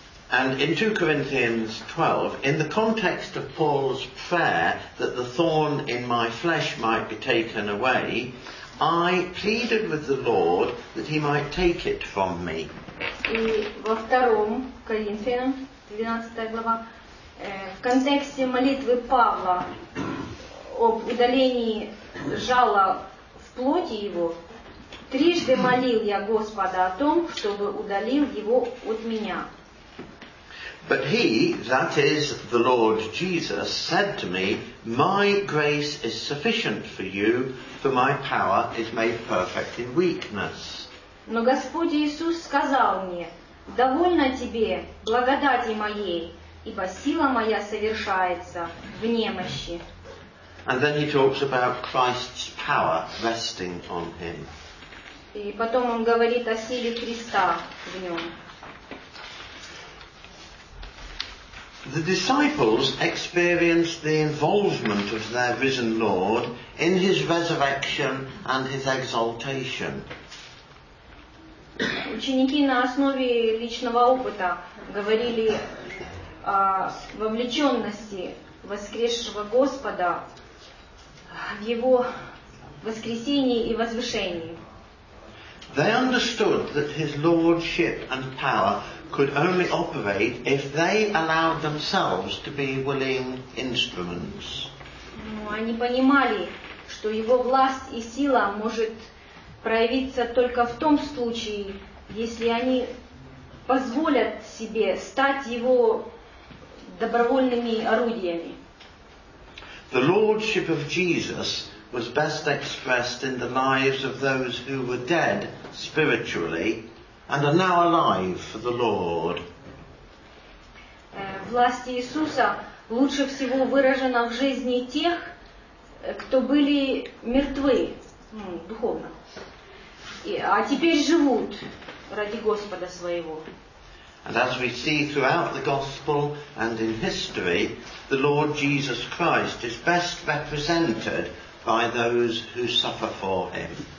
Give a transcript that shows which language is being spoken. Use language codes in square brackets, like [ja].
[en] And in 2 Corinthians 12, in the context of Paul's prayer that the thorn in my flesh might be taken away, I pleaded with the Lord that he might take it from me. [ru] И во 2 Коринфянам, 12 глава, в контексте молитвы Павла об удалении жала в плоти его, трижды молил я Господа о том, чтобы удалил его от меня. [en] But he, that is the Lord Jesus, said to me, my grace is sufficient for you, for my power is made perfect in weakness. [ru] Но Господь Иисус сказал мне, довольно тебе благодати моей, ибо сила моя совершается в немощи. [en] And then he talks about Christ's power resting on him. [ru] И потом он говорит о силе Христа в нем. [en] The disciples experienced the involvement of their risen Lord in his resurrection and his exaltation. [ru] Ученики на основе личного опыта говорили о вовлеченности воскресшего Господа в его воскресении и возвышении. [en] They understood that his lordship and power could only operate if they allowed themselves to be willing instruments. [ru] Но они понимали, что его власть и сила может проявиться только в том случае, если они позволят себе стать его добровольными орудиями. [en] The lordship of Jesus was best expressed in the lives of those who were dead spiritually and are now alive for the Lord. [ru] Власть Иисуса лучше всего выражена в жизни тех, кто были мертвы, духовно, а теперь живут ради Господа своего. [en] And as we see throughout the Gospel and in history, the Lord Jesus Christ is best represented by those who suffer for him.